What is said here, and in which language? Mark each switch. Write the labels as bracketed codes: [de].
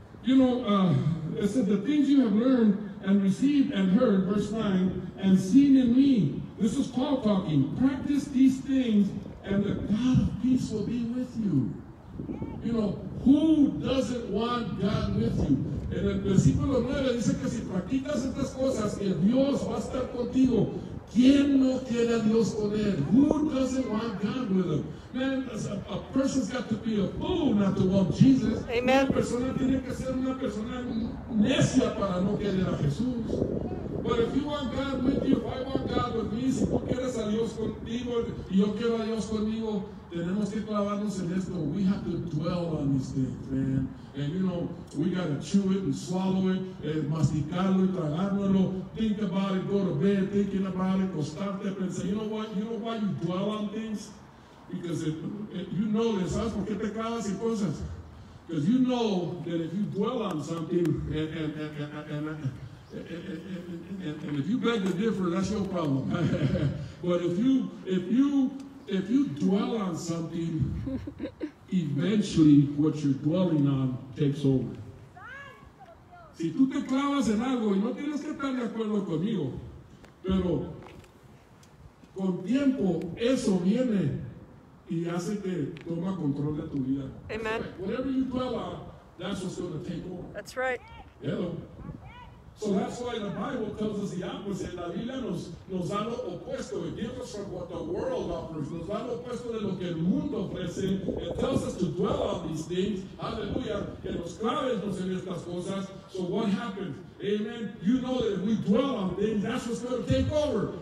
[en] You know, it says, the things you have learned and received and heard, verse 9, and seen in me. This is Paul talking. Practice these things, and the God of peace will be with you. You know, who doesn't want God with you? [es] En el versículo 9 dice que si practicas estas cosas, que Dios va a estar contigo. ¿Quién no quiere a Dios con él? [en] Who doesn't want God with him? Man, a person's got to be a fool not to want Jesus. Amen. [es] Una persona tiene que ser una persona necia para no querer a Jesús. [en] But if you want God with you, if I want God with me, [es] si tú quieres a Dios contigo y yo quiero a Dios conmigo, tenemos que clavarnos en esto. [en] We have to dwell on these things, man. And you know, we got to chew it and swallow it, [es] masticarlo y tragárnoslo. [en] Think about it, go to bed, thinking about it, [es] costarte, pensar. [en] You know what? You know why you dwell on things? Because if you know this, [es] ¿sabes por qué te clavas en cosas? [en] Because you know that if you dwell on something and if you beg to differ, that's your problem. But if you dwell on something, eventually what you're dwelling on takes over. [es] Si tú te clavas en algo, y no tienes que estar de acuerdo conmigo, pero con tiempo eso viene y hace que toma control de tu vida. [en] Amen. Like, whatever you dwell on, that's what's going to take over. That's right. Hello. So that's why the Bible tells us the opposite. [es] La Biblia nos da lo opuesto. [en] It gives us from what the world offers. [es] Nos da lo opuesto de lo que el mundo ofrece. [en] It tells us to dwell on these things. [es] Hallelujah. Que nos clavemos en estas cosas. [en] So what happens? [es] Amen. [en] You know that if we dwell on things, that's what's going to take over.